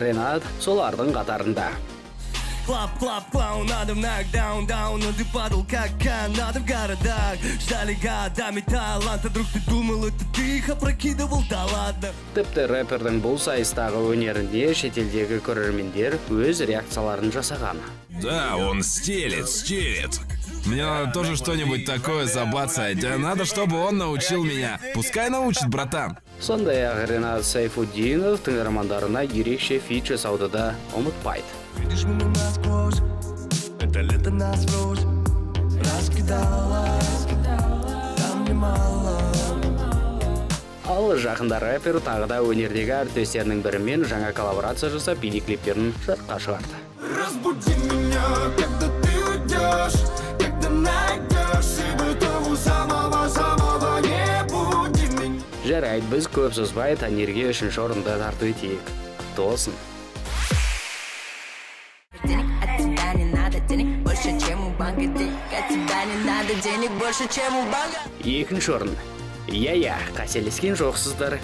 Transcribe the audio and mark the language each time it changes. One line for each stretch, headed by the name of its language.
Kazakh: Ренат солардың қатарында. Тіпті рэпердің бұл сайыстағы өнерінде шетелдегі көрермендер өз реакцияларын жасаған.
Russian: Да, он стелет, стелет. Мне надо тоже что-нибудь такое забацать. Надо, чтобы он научил меня. Пускай научит, братан.
Kazakh: Сондай ақ Ренат Сайфуддинов тыңдармандарына ерекше фичер саудада ұмытпайды.
Russian: Видишь, мы насквозь, это лето нас врозь, раскидалась, там немало.
Kazakh: Ал жақында рэпер тағы да өнердегі әртістерінің бірімен жаңа коллаборация жасап, бейнеклиптерін жарыққа шығарды.
Russian: Разбуди меня, когда ты уйдешь. Найдешь себе того самого, самого не будем.
Kazakh: Жарайды, біз көп созбай, Танерге үшінші орында тарту етейік. Досын. Екінші орын. Я-я, қателескен жоқсыздар.